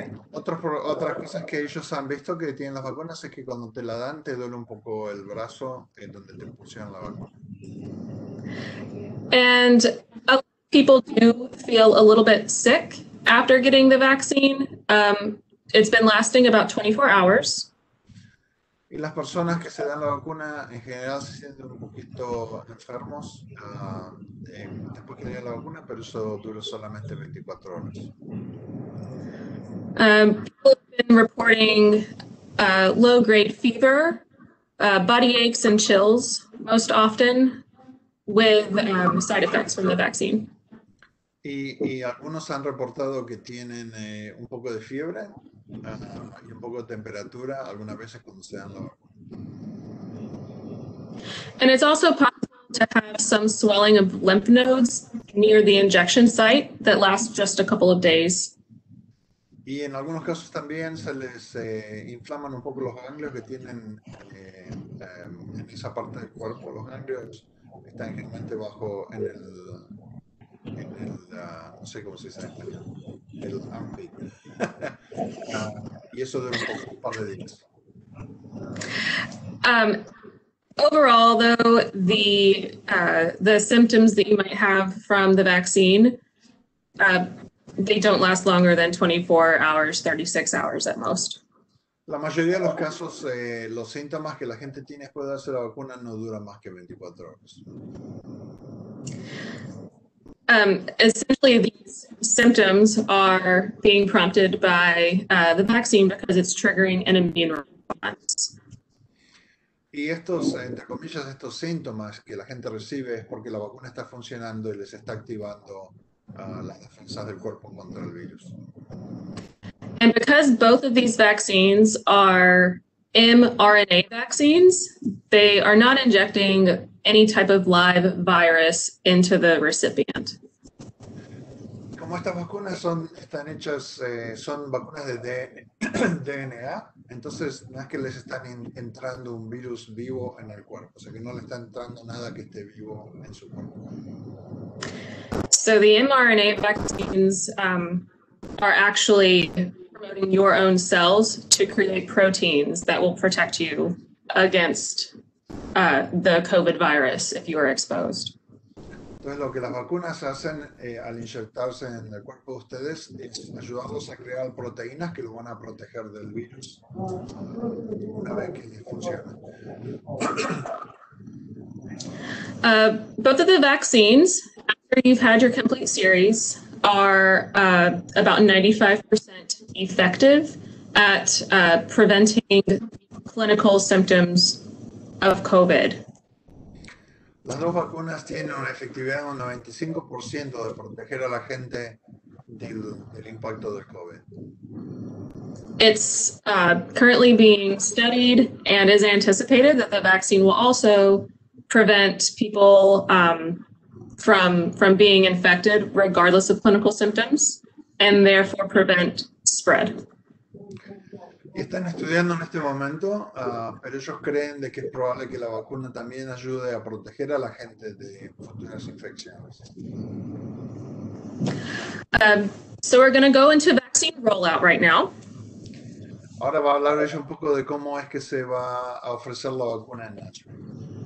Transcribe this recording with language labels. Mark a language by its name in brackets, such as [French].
[Spanish] Otras cosas que ellos han visto que tienen las vacunas es que cuando te la dan te duele un poco el brazo en donde te pusieron la vacuna. [English] And people do feel a little bit sick after getting the vaccine. It's been lasting about 24 hours. [Spanish] Y las personas que se dan la vacuna en general se sienten un poquito enfermos después que le dan la vacuna, pero eso dura solamente 24 horas. [English] People have been reporting low-grade fever, body aches and chills, most often with side effects from the vaccine. [Spanish] Y algunos han reportado que tienen un poco de fiebre y un poco de temperatura algunas veces cuando se dan la vacuna. [English] And it's also possible to have some swelling of lymph nodes near the injection site that lasts just a couple of days. [Spanish] Y en algunos casos también se les inflaman un poco los ganglios que tienen en esa parte del cuerpo. Los ganglios están generalmente bajo no sé cómo se dice en español, el AMPI. y eso dura un par de días. [English] Overall, though, the symptoms that you might have from the vaccine, they don't last longer than 24 hours, 36 hours at most. [Spanish] La mayoría de los casos, los síntomas que la gente tiene después de hacer la vacuna no duran más que 24 horas. [English] Essentially, these symptoms are being prompted by the vaccine because it's triggering an immune response. [Spanish] Y estos, entre comillas, estos síntomas que la gente recibe es porque la vacuna está funcionando y les está activando las defensas del cuerpo contra el virus. [English] And because both of these vaccines are mRNA vaccines, they are not injecting any type of live virus into the recipient. [Spanish] Como estas vacunas están hechas, son vacunas de DNA, entonces no es que les están entrando un virus vivo en el cuerpo, o sea que no le está entrando nada que esté vivo en su cuerpo. [English] So the mRNA vaccines are actually promoting your own cells to create proteins that will protect you against the COVID virus if you are exposed. [Spanish] Entonces, lo que las vacunas hacen al inyectarse en el cuerpo de ustedes es ayudarlos a crear proteínas que lo van a proteger del virus una vez que funciona. [English] Both of the vaccines, after you've had your complete series, are about 95% effective at preventing clinical symptoms of COVID. [Spanish] Las dos vacunas tienen una efectividad de un 95% de proteger a la gente del impacto del COVID. [English] It's currently being studied and is anticipated that the vaccine will also prevent people from being infected regardless of clinical symptoms and therefore prevent spread. [Spanish] Están estudiando en este momento, pero ellos creen de que es probable que la vacuna también ayude a proteger a la gente de futuras infecciones. [English] So we're going to go into vaccine rollout right now. [Spanish] Ahora va a hablar ella un poco de cómo es que se va a ofrecer la vacuna en Nashville.